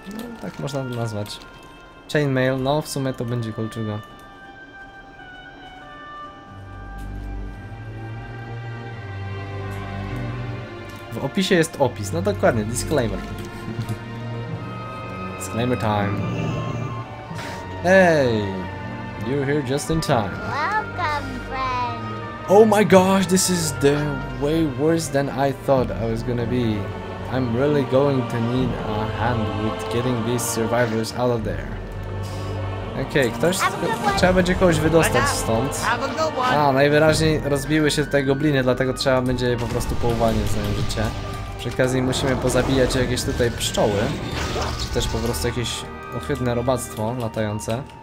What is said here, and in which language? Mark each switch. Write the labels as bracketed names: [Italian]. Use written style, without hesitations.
[Polish] No, tak można to nazwać. Chainmail. No, w sumie to będzie kolczuga. W opisie jest opis, no dokładnie, disclaimer. [English] Disclaimer time. Hey, you're here just in time. Welcome, friend. Oh my gosh, this is the way worse than I thought I was gonna be. I'm really going to need a hand with getting these survivors out of there. [Polish] Okej, ktoś... Trzeba będzie kogoś wydostać stąd. A, najwyraźniej rozbiły się te gobliny, dlatego trzeba będzie je po prostu pouwalniać za życie. Przy okazji musimy pozabijać jakieś tutaj pszczoły. Czy też po prostu jakieś ochwytne robactwo latające.